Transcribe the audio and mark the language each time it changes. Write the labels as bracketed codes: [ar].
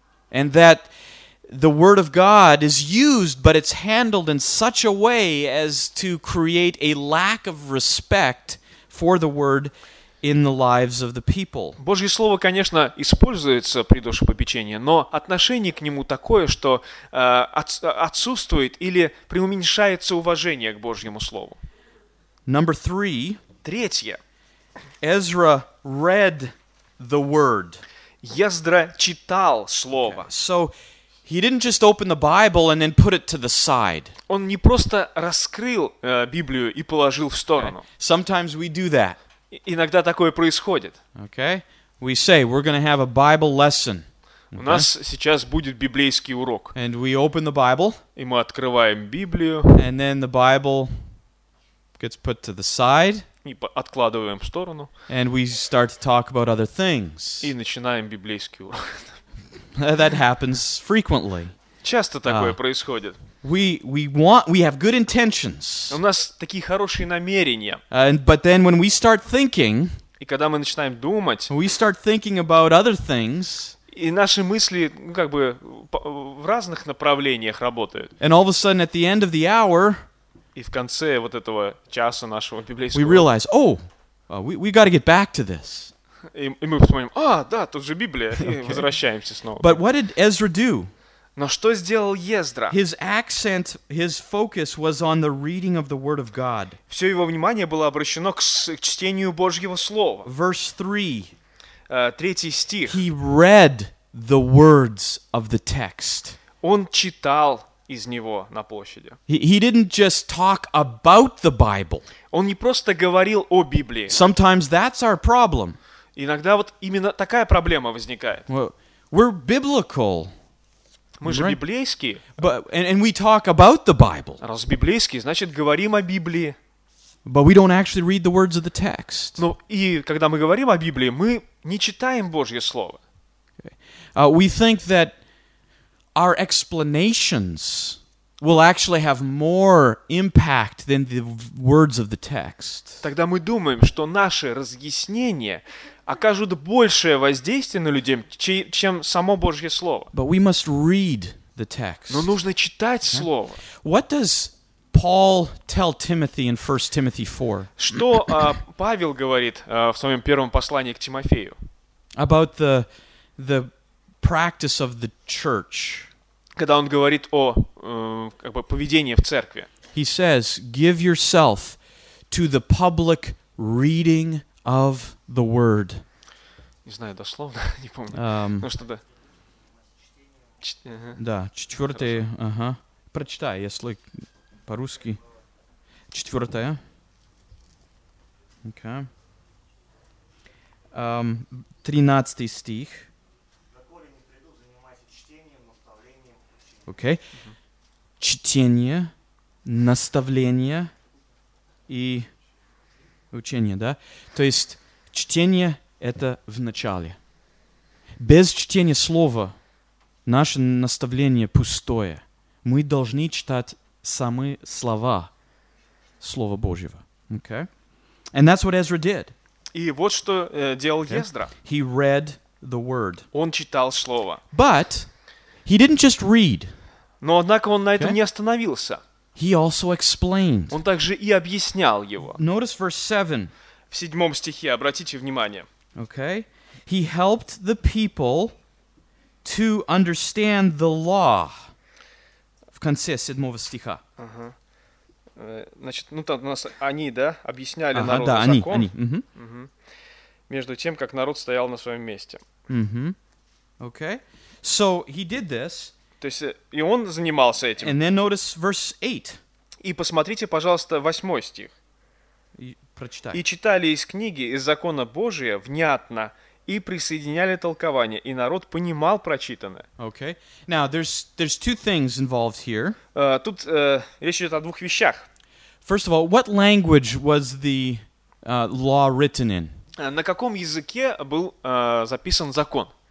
[en] And that the word of God is used, but it's handled in such a way as to create a lack of respect for the word in the lives of the people. [ru] Божье слово, конечно, используется при душепопечении, но отношение к нему такое, что отсутствует или преуменьшается уважение к Божьему слову. [en] Number three. [ru] Третье. [en] Ezra read the word. [ru] Ездра читал слово. [en] Okay. So he didn't just open the Bible and then put it to the side. [ru] Он не просто раскрыл Библию и положил в сторону. [en] Okay. Sometimes we do that. [ru] Иногда такое происходит. [en] Okay? We say we're going to have a Bible lesson. [ru] У нас сейчас будет библейский урок. [en] And we open the Bible. [ru] И мы открываем Библию. [en] And then the Bible gets put to the side. [ru] И откладываем в сторону. [en] And we start to talk about other things. [ru] И начинаем библейский урок. [en] That happens frequently. [ru] Часто такое происходит. [en] We have good intentions. [ru] У нас такие хорошие намерения. [en] But then when we start thinking, [ru] и когда мы начинаем думать, [en] we start thinking about other things, [ru] и наши мысли, ну, как бы в разных направлениях работают. [en] And all of a sudden at the end of the hour, [ru] и в конце вот этого часа нашего библейского, [en] we realize, oh, we got to get back to this. [ru] И мы вспоминаем, а, да, тут же Библия, и okay. возвращаемся снова. [en] But what did Ezra do? [ru] Но что сделал Ездра? [en] His accent, his focus was on the reading of the Word of God. [ru] Все его внимание было обращено к чтению Божьего Слова. [en] Verse 3. [ru] Третий стих. [en] He read the words of the text. [ru] Он читал из него на площади. [en] He didn't just talk about the Bible. [ru] Он не просто говорил о Библии. [en] Sometimes that's our problem. [ru] Иногда вот именно такая проблема возникает. [en] We're biblical. [ru] Мы же библейские. [en] And we talk about the Bible. [ru] Раз библейские, значит, говорим о Библии. [en] But we don't actually read the words of the text. [ru] Ну, и когда мы говорим о Библии, мы не читаем Божье Слово. [en] We think that our explanations will actually have more impact than the words of the text. [ru] Тогда мы думаем, что наши разъяснения окажут большее воздействие на людей, чем само Божье Слово. [en] But we must read the text. [ru] Но нужно читать Слово. [en] What does Paul tell Timothy in 1 Timothy 4? [ru] Что Павел говорит в своем первом послании к Тимофею? [en] About the practice of the church. [ru] Когда он говорит о как бы поведении в церкви. [en] He says, give yourself to the public reading of the word. [ru] Не знаю дословно, не помню. Ну что да. Да, четвёртый, ага. Прочитай, если по-русски. Четвёртая. Okay. 13 стих. Okay. Mm-hmm. Чтение, наставление и учение, да? То есть чтение — это в начале. Без чтения слова наше наставление пустое. Мы должны читать сами слова Слова Божьего. [en] Okay. And that's what Ezra did. [ru] И вот что делал Ezra. [en] He read the word. [ru] Он читал слово. [en] But he didn't just read. [ru] Но, однако, он на этом не остановился. [en] He also explained. [ru] Он также и объяснял его. [en] Notice verse 7. [ru] В седьмом стихе, обратите внимание. [en] Okay. He helped the people to understand the law. [ru] В конце седьмого стиха. Uh-huh. Значит, ну там у нас они, да, объясняли народу да, закон. Они. Между тем, как народ стоял на своем месте. [en] Okay. So, he did this. [ru] То есть, и он занимался этим. [en] And then notice verse 8. [ru] И посмотрите, пожалуйста, восьмой стих. Прочитай. И читали из книги, из закона Божия, внятно, и присоединяли толкование, и народ понимал прочитанное. [en] Okay. Now, there's two things involved here. [ru] Тут речь идет о двух вещах. [en] First of all, what language was the law written in? [ru] На каком языке был записан закон?